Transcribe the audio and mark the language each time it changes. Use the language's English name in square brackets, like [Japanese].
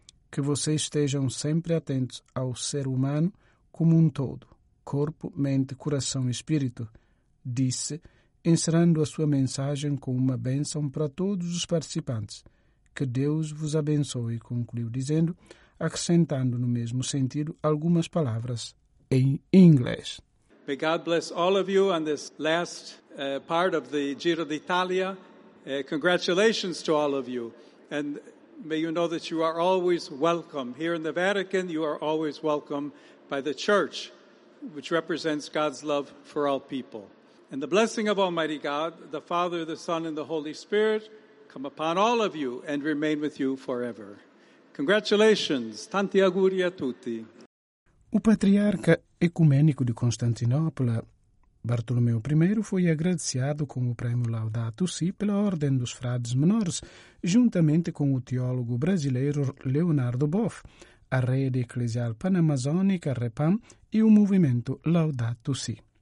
[Portuguese] Que vocês estejam sempre atentos ao ser humano como um todo, corpo, mente, coração e espírito, disse, encerrando a sua mensagem com uma bênção para todos os participantes. Que Deus vos abençoe, concluiu dizendo, acrescentando no mesmo sentido algumas palavras em inglês. [English] May God bless all of you on this last part of the Giro d'Italia. Congratulations to all of you. And may you know that you are always welcome. Here in the Vatican, you are always welcome by the Church, which represents God's love for all people. And the blessing of Almighty God, the Father, the Son, and the Holy Spirit, come upon all of you and remain with you forever. Congratulations. [Italian] Tanti auguri a tutti. [Portuguese] O patriarca ecumênico de Constantinopla, Bartolomeu I, foi agraciado com o prêmio Laudato Si pela Ordem dos Frades Menores, juntamente com o teólogo brasileiro Leonardo Boff, a Rede Eclesial Panamazônica, REPAM, e o movimento Laudato Si.